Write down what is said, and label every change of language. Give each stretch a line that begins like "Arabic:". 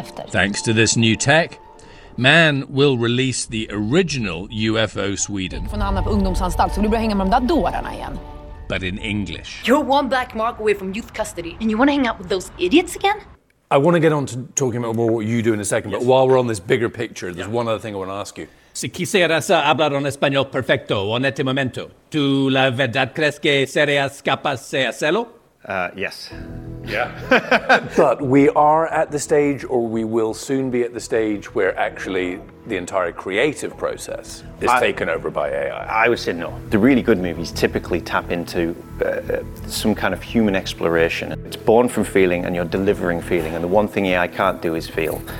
English: Thanks to this new tech, Man will release the original UFO Sweden. But in English. You're one black mark away from youth custody, and you want to hang out with those idiots again? I want to get on to talking about more what you do in a second, but while we're on this bigger picture, there's one other thing I want to ask you.
Spanish: Si quisieras hablar en español perfecto en este momento, ¿tú la verdad crees que serías capaz de hacerlo?
English: Yes. Yeah. But we are at the stage, or we will soon be at the stage, where actually the entire creative process is taken over by AI. I would say no. The really good movies typically tap into some kind of human exploration. It's born from feeling, and you're delivering feeling, and the one thing AI can't do is feel.